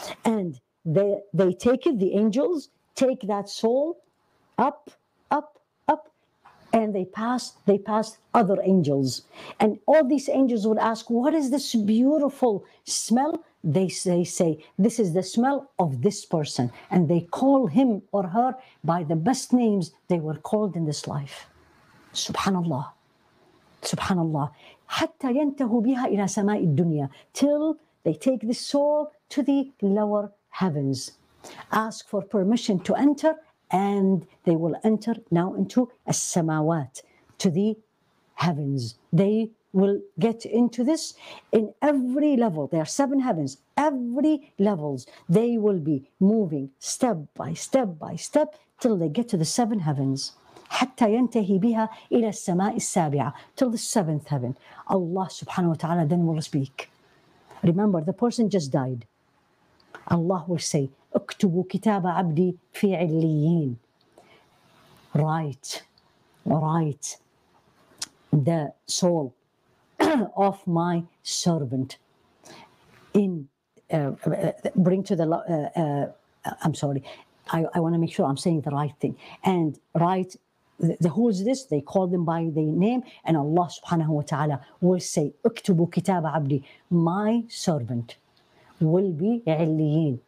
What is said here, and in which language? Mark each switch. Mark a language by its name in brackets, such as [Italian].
[English] And they take it, the angels take that soul up, up, up, and they pass other angels. And all these angels would ask, what is this beautiful smell? They say, this is the smell of this person. And they call him or her by the best names they were called in this life. Subhanallah. [Arabic] سبحان الله حتى ينتهوا بها إلى سماء الدنيا. [English] Till they take the soul to the lower heavens. Ask for permission to enter and they will enter now into السماوات, to the heavens. They will get into this in every level. There are seven heavens. Every levels, they will be moving step by step by step till they get to the seven heavens. [Arabic] حتى ينتهي بها إلى السماء السابعة, [English] till the seventh heaven. Allah subhanahu wa ta'ala then will speak. Remember, the person just died. Allah will say, [Arabic] اكتبوا كتاب عبدي في عليين. [English] Write the soul of my servant in bring to the I want to make sure I'm saying the right thing, and write the who is this, they call them by their name, and Allah subhanahu wa ta'ala will say [Arabic] اكتبوا كتاب عبدي, [English] my servant will be عليين.